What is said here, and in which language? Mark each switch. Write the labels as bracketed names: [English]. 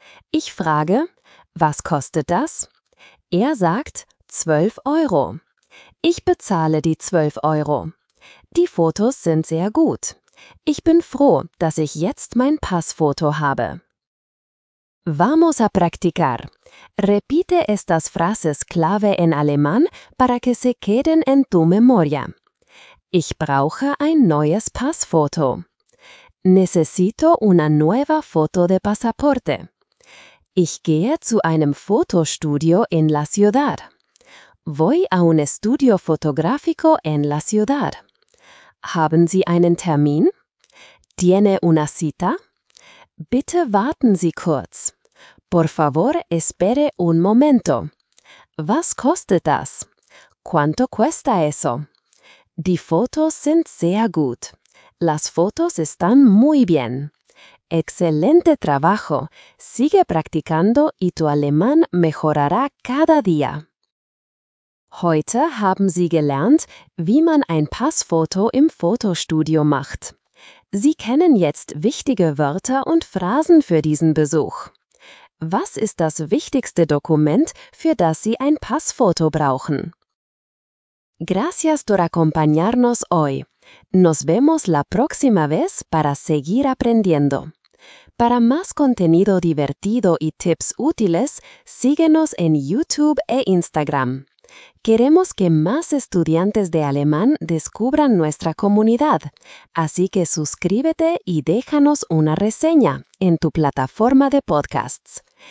[German] Ich frage, was kostet das? Er sagt, 12 Euro. Ich bezahle die 12 Euro. Die Fotos sind sehr gut. Ich bin froh, dass ich jetzt mein Passfoto habe. [Spanish] Vamos a practicar. Repite estas frases clave en alemán para que se queden en tu memoria. [German] Ich brauche ein neues Passfoto. [Spanish] Necesito una nueva foto de pasaporte. [German] Ich gehe zu einem Fotostudio [Spanish] en la ciudad. Voy a un estudio fotográfico en la ciudad. [German] Haben Sie einen Termin? [Spanish] ¿Tiene una cita? [German] Bitte warten Sie kurz. [Spanish] Por favor, espere un momento. [German] Was kostet das? [Spanish] ¿Cuánto cuesta eso? [German] Die Fotos sind sehr gut. [Spanish] Las fotos están muy bien. Excelente trabajo. Sigue practicando y tu alemán mejorará cada día. [German] Heute haben Sie gelernt, wie man ein Passfoto im Fotostudio macht. Sie kennen jetzt wichtige Wörter und Phrasen für diesen Besuch. Was ist das wichtigste Dokument, für das Sie ein Passfoto brauchen? [Spanish] Gracias por acompañarnos hoy. Nos vemos la próxima vez para seguir aprendiendo. Para más contenido divertido y tips útiles, síguenos en YouTube e Instagram. Queremos que más estudiantes de alemán descubran nuestra comunidad, así que suscríbete y déjanos una reseña en tu plataforma de podcasts.